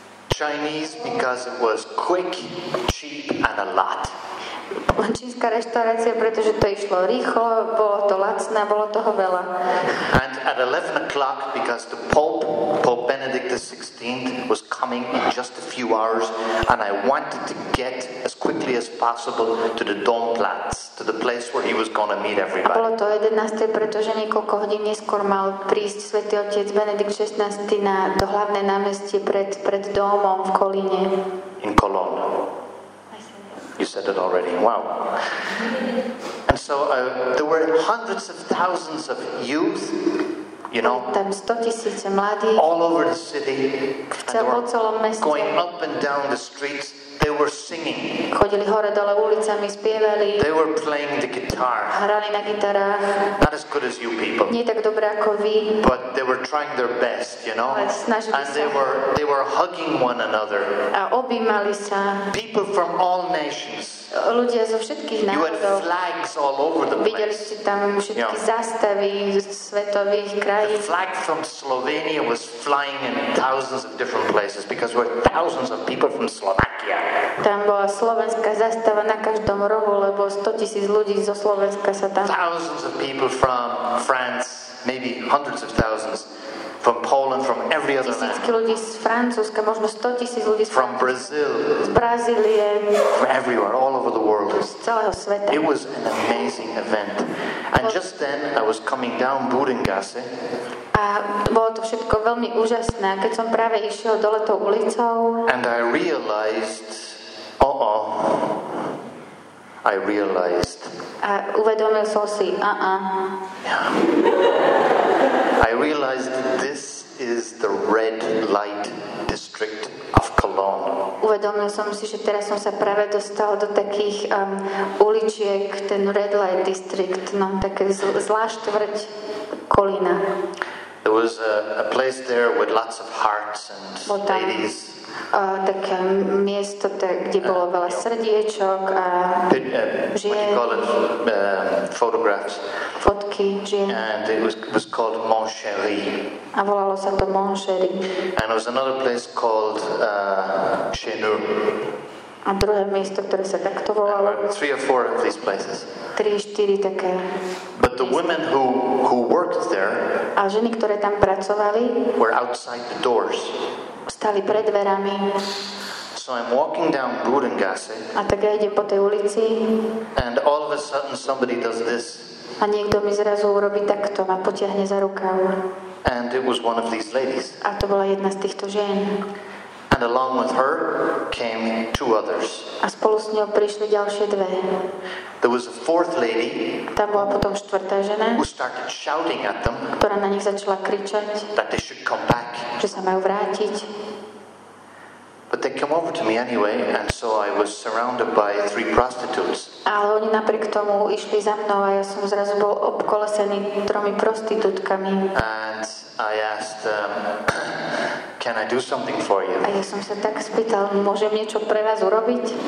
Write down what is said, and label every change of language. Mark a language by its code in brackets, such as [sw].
[en] Chinese because it was quick, cheap and a lot. [sk] Čínska reštaurácia, pretože to išlo rýchlo, bolo to lacné, bolo toho veľa. [en] And at 11 o'clock, because the Pope, Pope Benedict XVI, was coming in just a few hours, and I wanted to get as quickly as possible to the Domplatz, to the place where he was going to meet everybody. [sk] A bolo to 11, pretože niekoľko hodín neskôr mal prísť Svätý Otec Benedikt XVI na to hlavné námestie pred, pred domom v Kolíne. [en] In Cologne. You said it already. Wow. And so there were hundreds of thousands of youth, you know, [sk] tam 100 tisíce mladí, [en] all over the city, [sk] celom meste, [en] going up and down the streets. They were singing. [sk] Chodili hore dole ulicami, spievali. [en] They were playing the guitar. [sk] Hrali na gitarách. [en] Not as good as you people. [sk] Nie tak dobré ako vy. [en] But they were trying their best, you know. And they were hugging one another. [sk] A objímali sa. [en] People from all nations. [sk] Ľudia zo všetkých národov. [en] You had flags all over the place. [sk] Videli ste tam všetky zástavy svetových krajín. [en] The flag from Slovenia was flying in thousands of different places because there were thousands of people from Slovakia. [sk] Tam bola slovenská zástava na každom rohu, lebo 100 tisíc ľudí zo Slovenska sa tam. [en] Thousands of people from France, maybe hundreds of thousands from Poland, from every other land. [sk] Tisícky ľudí z Francúzska, možno 100 tisíc ľudí z [en] from Brazil, [sk] z Brazílie, [en] from everywhere, all over the world. [sk] Z celého sveta. [en] It was an amazing event. And just then I was coming down Budengasse. [sk] A bolo to všetko veľmi úžasné, keď som práve išiel dole tou ulicou. [en] And I realized, uh-oh, I realized. [sk] A uvedomil som si, [en] I realized this is the red light district of Cologne. [sk] Uvedomil som si, že teraz som sa práve dostal do takých uličiek, ten [en] red light district, [sk] no také zlá štvrť Kolína. [en] There was a place there with lots of hearts and ladies. [sk] Také miesto, kde bolo veľa srdiečok a žien. [en] What do you call it? Photographs. [sk] Fotky, žien. [en] And it was called Mon Chéri. [sk] A volalo sa to Mon Chéri. [en] And there was another place called Chez Nous. [sk] A druhé miesto, ktoré sa takto volalo. [en] Three or four of these places. [sk] Tri, štyri také. [en] But the women who worked there, [sk] a ženy, ktoré tam pracovali, [en] were outside the doors. [sk] Stali pred dverami. [en] So I'm walking down Budengasse. [sk] A tak ja idem po tej ulici. [en] And all of a sudden somebody does this. [sk] A niekto mi zrazu urobí takto, ma potiahne za rukav. [en] And it was one of these ladies. [sk] A to bola jedna z týchto žien. [en] And along with her came two others. [sk] A spolu s ňou prišli ďalšie dve. [en] There was a fourth lady. [sk] Tam bola potom štvrtá žena. [en] Who started shouting at them. [sk] Ktorá na nich začala kričať. [en] That they should come back. [sk] Že sa majú vrátiť. [en] But they came over to me anyway, and so I was surrounded by three prostitutes. [sk] Ale oni napriek tomu išli za mnou a ja som zrazu bol obkolesený tromi prostitútkami. [en] And I asked them, can I do something for you? [sk] A ja som sa tak spýtal, môžem niečo pre vás urobiť?